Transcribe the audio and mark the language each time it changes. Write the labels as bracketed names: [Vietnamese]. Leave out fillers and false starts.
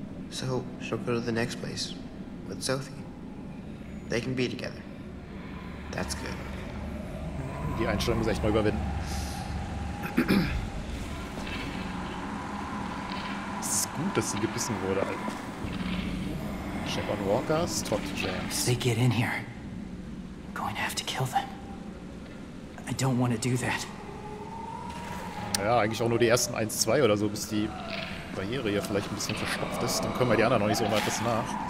[English] So, she'll go to the next place. With Sophie. They can be together. That's good. [German] Die Einstellung muss echt mal überwinden. Es ist gut, dass sie gebissen wurde, Alter. [English] Check on Walkers, talk to James. If they get in here, I'm going to have to kill them. I don't want to do that. [German] Ja, eigentlich auch nur die ersten 1-2 oder so, bis die Barriere hier vielleicht ein bisschen verstopft ist. Dann können wir die anderen noch nicht so mal etwas nach.